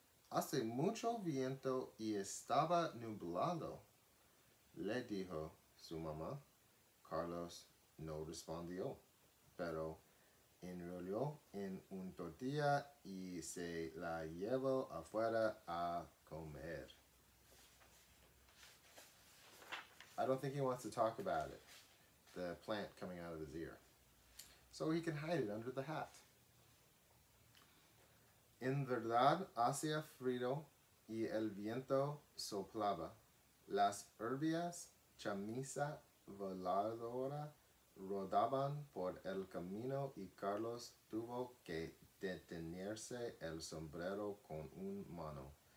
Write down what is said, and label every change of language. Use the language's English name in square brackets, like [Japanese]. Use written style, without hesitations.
[Spanish] Hace mucho viento y estaba nublado, le dijo su mamá. Carlos no respondió. Pero enrolló en un tortilla y se la llevó afuera a comer. [English] I don't think he wants to talk about it, the plant coming out of his ear. So he can hide it under the hat. [Spanish] En verdad, hacía frío y el viento soplaba. Las herbias chamisa voladora rodaban por el camino y Carlos tuvo que detenerse el sombrero con un mano.